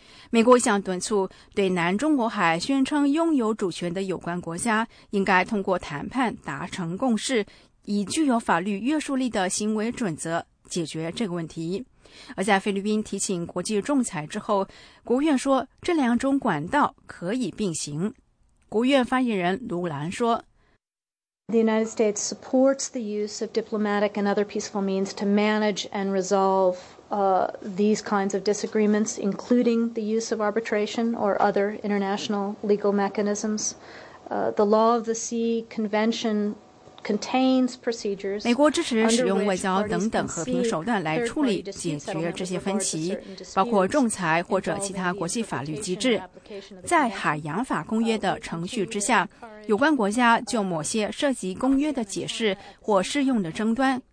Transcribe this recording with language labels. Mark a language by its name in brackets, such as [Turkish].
[Chinese] 美国想敦促对南中国海宣称拥有主权的有关国家，应该通过谈判达成共识，以具有法律约束力的行为准则解决这个问题。而在菲律宾提请国际仲裁之后，国务院说这两种管道可以并行。国务院发言人卢兰说， [English] The United States supports the use of diplomatic and other peaceful means to manage and resolve these kinds of disagreements, including the use of arbitration or other international legal mechanisms. The Law of the Sea Convention contains procedures. [Chinese] 美国支持使用外交等等和平手段来处理解决这些分歧，包括仲裁或者其他国际法律机制。在海洋法公约的程序之下，有关国家就某些涉及公约的解释或适用的争端